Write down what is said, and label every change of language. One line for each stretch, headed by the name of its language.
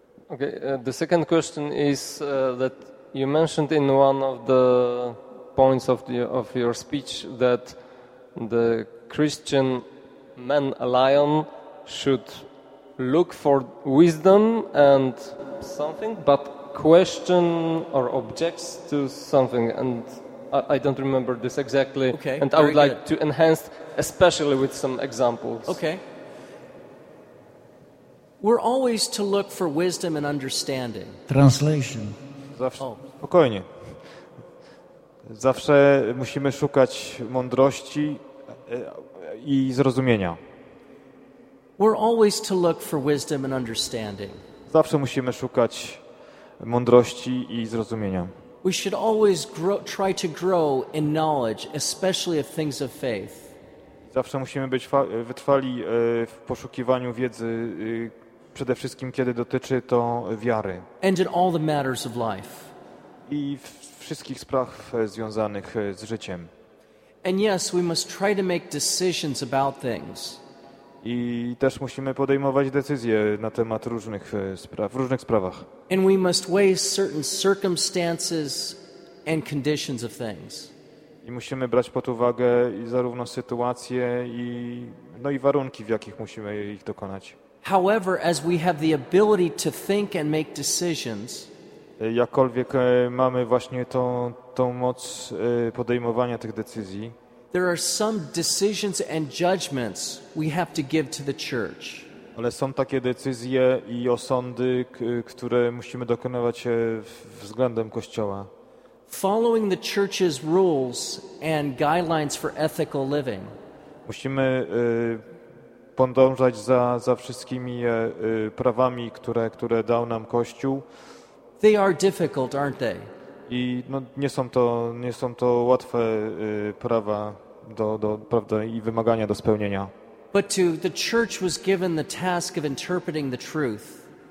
English: Okay, the second question is that you mentioned in one of the points of your speech that the Christian man, a lion, should look for wisdom and something, but question or objects to something, and I don't remember this exactly. Okay, and I would like to enhance, especially with some examples. Okay. We're always to look for wisdom and understanding. Translation.
Polish: Spokojnie. Zawsze musimy szukać mądrości i zrozumienia.
English: We're always to look for wisdom and understanding.
Polish: Zawsze musimy szukać mądrości i zrozumienia.
English: We should always try to grow in knowledge, especially of things of faith.
Polish: Zawsze musimy być wytrwali w poszukiwaniu wiedzy, przede wszystkim kiedy dotyczy to wiary.
English: And in all the matters of life.
Polish: I w wszystkich spraw związanych z życiem.
English: And yes, we must try to make decisions about things.
Polish: I też musimy podejmować decyzje na temat różnych spraw, w różnych sprawach.
English: And we must weigh certain circumstances and conditions of things.
Polish: I musimy brać pod uwagę i zarówno sytuację i no i warunki, w jakich musimy ich dokonać.
English: However, as we have the ability to think and make decisions,
Polish: jakkolwiek mamy właśnie tą moc podejmowania tych decyzji,
English: there are some decisions and judgments we have to give to the church.
Polish: Ale są takie decyzje i osądy, które musimy dokonywać względem Kościoła.
English: Following the church's rules and guidelines for ethical living.
Polish: Musimy podążać za wszystkimi prawami, które dał nam Kościół.
English: They are difficult, aren't they?
Polish: I no, nie są to łatwe prawa do prawda, i wymagania do spełnienia.
English: But to the church was given the task of interpreting the truth.